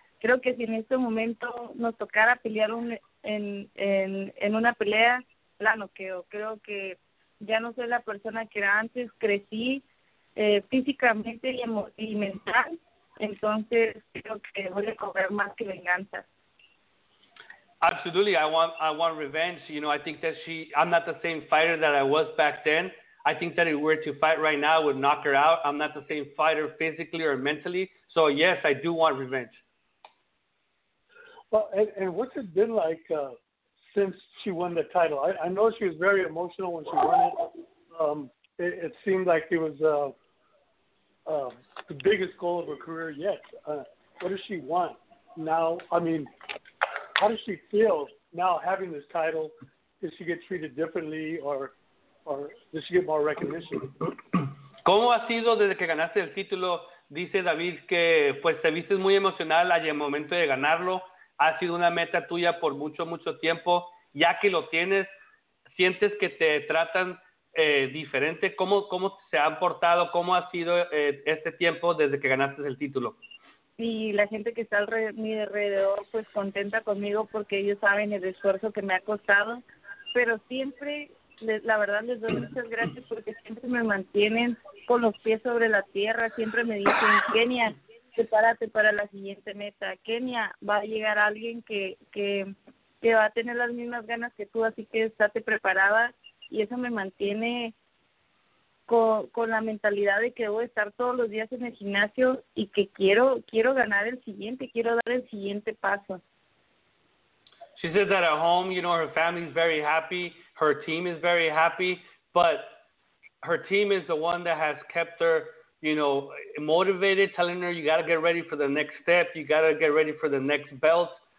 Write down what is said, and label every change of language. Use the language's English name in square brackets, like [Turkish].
[Spanish] Creo que si en este momento nos tocara pelear en una pelea, la noqueo. Creo que ya no soy la persona que era antes, crecí físicamente y mental, entonces creo que voy a cobrar más que venganza. [English] Absolutely, I want revenge. You know, I think that I'm not the same fighter that I was back then. I think that if we were to fight right now, I would knock her out. I'm not the same fighter physically or mentally. So yes, I do want revenge. Well, and what's it been like since she won the title? I know she was very emotional when she won it. It seemed like it was the biggest goal of her career yet. What does she want now? I mean, how does she feel now having this title? Does she get treated differently or does she get more recognition? [Spanish] ¿Cómo ha sido desde que ganaste el título? Dice David que pues te viste muy emocional al momento de ganarlo. Ha sido una meta tuya por mucho, mucho tiempo. Ya que lo tienes, ¿sientes que te tratan diferente? ¿Cómo se han portado? ¿Cómo ha sido este tiempo desde que ganaste el título? Y la gente que está alrededor, pues contenta conmigo porque ellos saben el esfuerzo que me ha costado. Pero siempre, la verdad, les doy muchas gracias porque siempre me mantienen con los pies sobre la tierra. Siempre me dicen, Kenia, prepárate para la siguiente meta. Kenia, va a llegar alguien que va a tener las mismas ganas que tú, así que estate preparada. Y eso me mantiene con la mentalidad de que debo estar todos los días en el gimnasio y que quiero ganar el siguiente, quiero dar el siguiente paso. [English] She says that at home, you know, her family is very happy, her team is very happy, but her team is the one that has kept her, you know, motivated, telling her you got to get ready for the next step, you got to get ready for the next belt.